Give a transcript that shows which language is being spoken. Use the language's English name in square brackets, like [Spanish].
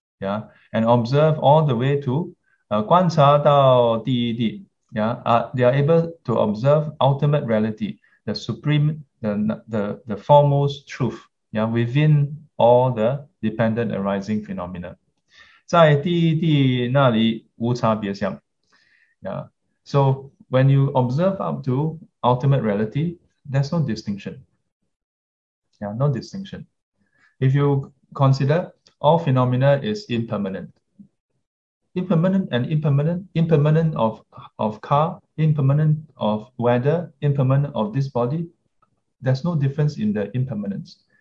[English] Yeah, and observe all the way to [Chinese] 观察到第一谛. [English] Yeah, they are able to observe ultimate reality, the supreme, the foremost truth, yeah, within all the dependent arising phenomena. [Chinese] 在第一谛那里无差别相. [English] Yeah. So when you observe up to ultimate reality, there's no distinction. Yeah, no distinction. If you consider all phenomena is impermanent. Impermanent and impermanent, impermanent of car, impermanent of weather, impermanent of this body, there's no difference in the impermanence.